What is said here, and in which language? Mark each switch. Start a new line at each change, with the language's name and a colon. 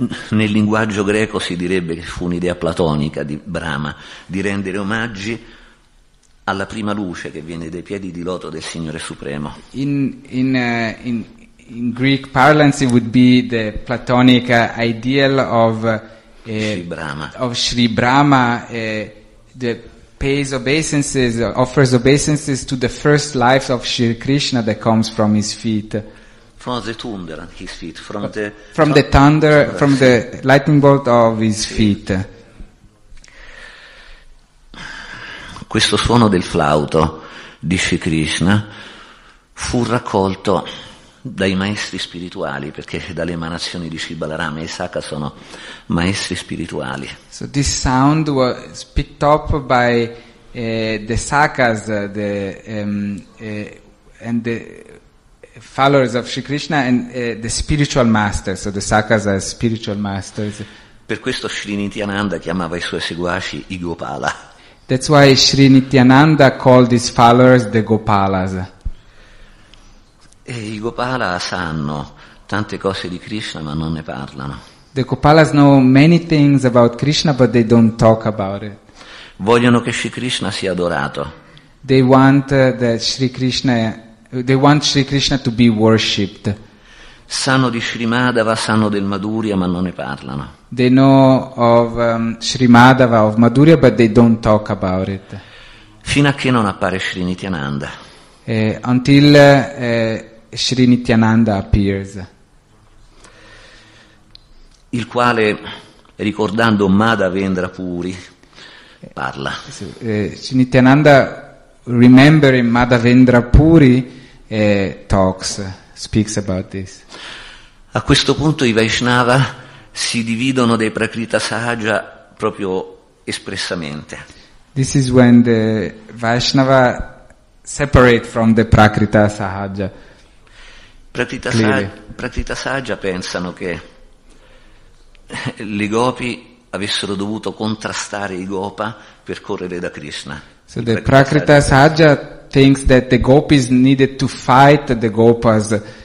Italian: Nel linguaggio greco si direbbe che fu un'idea platonica di Brahma di rendere omaggi alla prima luce che viene dai piedi di loto del Signore Supremo.
English: In Greek parlance it would be the platonic ideal of Sri Brahma. Of Sri Brahma, the pays obeisances, offers obeisances to the first life of Sri Krishna that comes from his feet. From the thunder, his feet. From the thunder, from the lightning bolt of his feet.
Italian: Questo suono del flauto di Sri Krishna fu raccolto dai maestri spirituali, perché dalle emanazioni di Sri Balarama e Saka sono maestri spirituali.
English: So this sound was picked up by the Sakas, the and the followers of Sri Krishna and the spiritual masters. So the Sakas are spiritual masters.
Italian: Per questo Sri Nityananda chiamava i suoi seguaci i Gopala.
English: That's why Sri Nityananda called his followers the Gopalas.
Italian: E i Gopala sanno tante cose di Krishna, ma non ne parlano.
English: The Gopalas know many things about Krishna, but they don't talk about it.
Italian: Vogliono che Sri Krishna sia adorato.
English: They want Sri Krishna to be worshipped.
Italian: Sanno di Sri Madhava, sanno del Madhurya, ma non ne parlano.
English: They know of Sri Madhava, of Madhurya, but they don't talk about it.
Italian: Fino a che non appare Sri Nityananda.
English: Until Sri Nityananda appears.
Italian: Il quale, ricordando Madhavendra Puri, parla.
English: Sri Nityananda, remembering Madhavendra Puri, speaks about this.
Italian: A questo punto i Vaishnava si dividono dai Prakrita Sahaja proprio espressamente.
English: This is when the Vaishnava separate from the Prakrita Sahaja.
Italian: Prakrita Sahaja pensano che le Gopi avessero dovuto contrastare i Gopa per correre da Krishna.
English: So the Prakrita Sahaja thinks that the Gopis needed to fight the Gopas